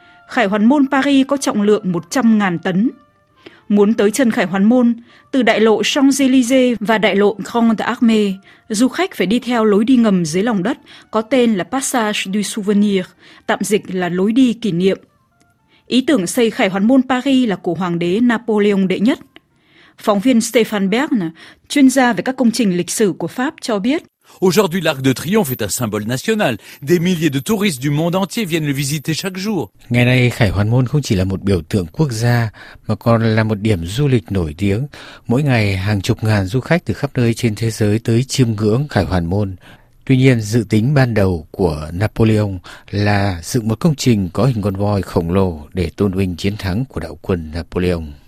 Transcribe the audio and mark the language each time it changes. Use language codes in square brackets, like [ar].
[vi] Khải Hoàn Môn Paris có trọng lượng 100.000 tấn. Muốn tới chân Khải Hoàn Môn, từ đại lộ Champs-Élysées và đại lộ Grande Armée, du khách phải đi theo lối đi ngầm dưới lòng đất có tên là Passage du Souvenir, tạm dịch là lối đi kỷ niệm. Ý tưởng xây Khải Hoàn Môn Paris là của Hoàng đế Napoleon đệ nhất. Phóng viên Stéphane Bern, chuyên gia về các công trình lịch sử của Pháp, cho biết. [fr] Aujourd'hui, l'Arc de Triomphe est un symbole national. Des milliers de touristes du monde entier viennent le visiter chaque jour. [vi] Ngày nay, Khải Hoàn Môn không chỉ là một biểu tượng quốc gia, mà còn là một điểm du lịch nổi tiếng. Mỗi ngày, hàng chục ngàn du khách từ khắp nơi trên thế giới tới chiêm ngưỡng Khải Hoàn Môn. Tuy nhiên, dự tính ban đầu của Napoleon là dựng một công trình có hình con voi khổng lồ để tôn vinh chiến thắng của đạo quân Napoleon.